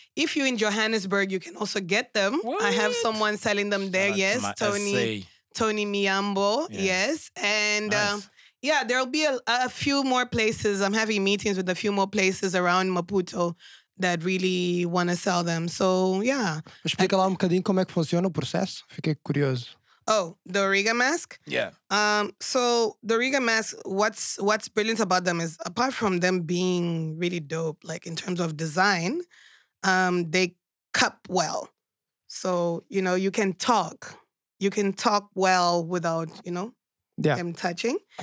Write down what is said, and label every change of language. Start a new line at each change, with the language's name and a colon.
English: If you're in Johannesburg, you can also get them. What? I have someone selling them there. Yes, Tony Miyambo. Yeah. Yes. And nice. There'll be a few more places. I'm having meetings with a few more places around Maputo that really want to sell them. So, yeah.
Portuguese: Explica lá um bocadinho como é que funciona o processo. Fiquei curioso.
English: Oh, the Origa mask? Yeah. So, the Origa mask, what's brilliant about them is, apart from them being really dope, like in terms of design, they cup well. So, you know, you can talk. You can talk well without, you know, them touching.